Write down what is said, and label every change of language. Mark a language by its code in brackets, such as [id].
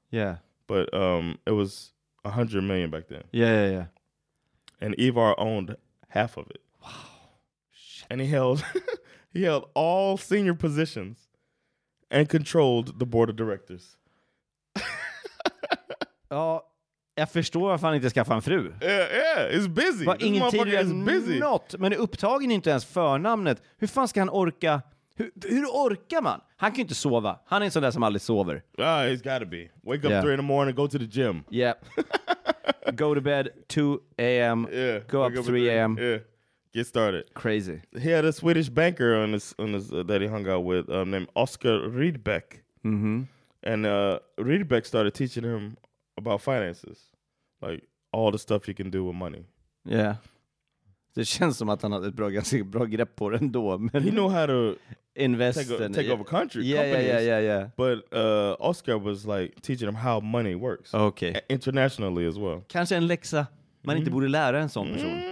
[en] Yeah. But it was $100 million back then. Yeah. And Ivar owned half of it. Wow. Shit. And he held all senior positions and controlled the board of directors. [sv] Oh, jag förstår varför han inte skaffar en fru. [en] Yeah, it's busy. [sv] Var ingen tid är busy. Något, men upptagen är inte ens förnamnet. Hur fan ska han orka? Hur orkar man? Han kan ju inte sova. Han är en sån där som aldrig sover. [en] He's gotta be. Wake up 3 in the morning, go to the gym. Yeah. Go to bed 2 a.m. Yeah, go up 3 a.m. Yeah. Get started. Crazy. He had a Swedish banker that he hung out with named Oscar Rydbeck. Mm-hmm. And Rydbeck started teaching him about finances, like all the stuff you can do with money. Yeah. [sv] Det känns som att han hade ett bra, ganska bra grepp på det ändå. Men [en] he knew how to invest and take over country. Yeah. But Oscar was like teaching him how money works. Okay. Internationally as well. [sv] Kanske en läxa man inte borde lära en sån person.